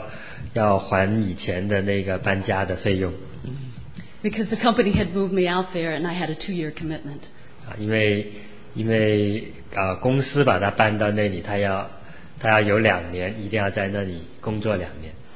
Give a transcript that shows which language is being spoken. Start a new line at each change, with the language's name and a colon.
Chinese: 而且他要如果要停的话，他就要还以前的那个搬家的费用。
English: Because the company had moved me out there and I had a 2-year commitment.
Chinese: 因为公司把他搬到那里，他要有两年，一定要在那里工作两年。